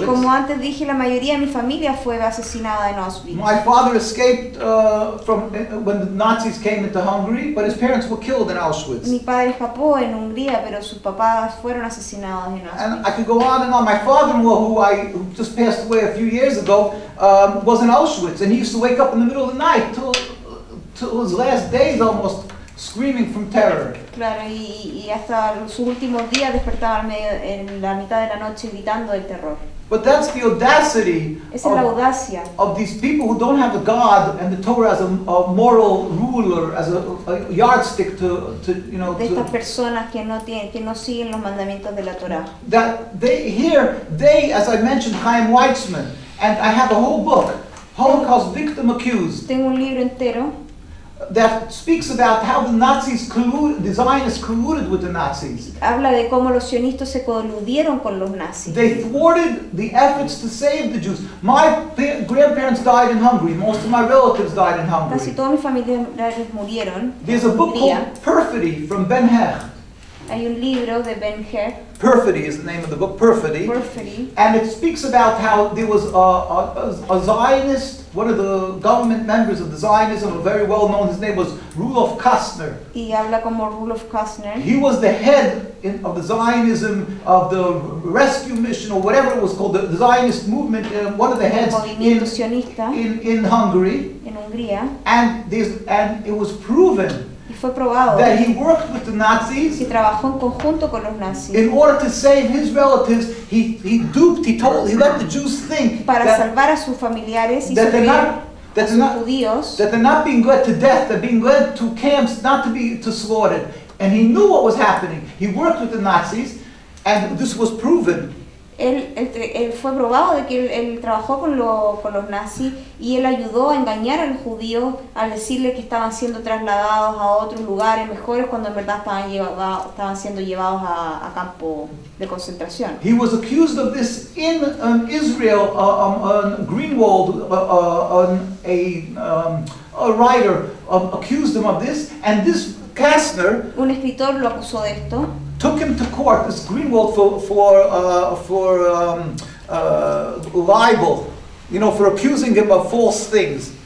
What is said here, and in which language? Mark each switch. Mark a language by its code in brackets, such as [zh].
[es] Y como antes dije, la mayoría de mi familia fue asesinada en Auschwitz. [en] My father escaped from when the Nazis came into Hungary, but his parents were killed in Auschwitz. [es] Mi padre escapó en Hungría, pero sus papás fueron asesinados en Auschwitz. [en] And I could go on and on. My father-in-law, who just passed away a few years ago, was in Auschwitz, and he used to wake up in the middle of the night till his last days almost. Screaming from terror. [es] Claro, y hasta sus últimos días despertaba en la mitad de la noche gritando del terror. [en] But that's the audacity. [es] Esa es la audacia. [en] Of these people who don't have a God and the Torah as a moral ruler, as a yardstick to you know. [es] De estas personas que no tienen, que no siguen los mandamientos de la Torah. [en] That they, as I mentioned, Chaim Weizmann, and I have a whole book, Holocaust Victim Accused. [es] Tengo un libro entero. [en] That speaks about how the Zionists colluded with the Nazis. [es] Habla de cómo los sionistas se coludieron con los nazis. [en] They thwarted the efforts to save the Jews. My grandparents died in Hungary. Most of my relatives died in Hungary. [es] Casi todos mis familiares murieron. [en] There's a book called Perfidy from Ben Hecht. [es] Hay un libro de Ben Hecht. [en] Perfidy is the name of the book. Perfidy. Perfidy. And it speaks about how there was a Zionist, one of the government members of the Zionism, a very well known. His name was Rudolf Kastner. [es] Y habla como Rudolf Kastner. [en] He was the head of the Zionism, of the rescue mission, or whatever it was called, the Zionist movement. One of the heads in Hungary. [es] En Hungría. [en] And it was proven. [es] Fue probado [en] that he worked with the Nazis. [es] Que trabajó en conjunto con los nazis. [en] In order to save his relatives, he duped, he told, he let the Jews think [es] para salvar a sus familiares y [en] that they're not that they're not [es] judíos, [en] that they're not being led to death, they're being led to camps not to be to slaughtered. And he knew what was happening. He worked with the Nazis, and this was proven. [es] Él fue probado de que él trabajó con los nazis y él ayudó a engañar a los judíos al decirles que estaban siendo trasladados a otros lugares mejores cuando en verdad estaban siendo llevados a campo de concentración. [en] He was accused of this in Israel, Greenwald, a writer accused him of this, and this Kastner, [es] un escritor lo acusó de esto. [en] Took him to court, this Greenwald, for libel, you know, for accusing him of false things.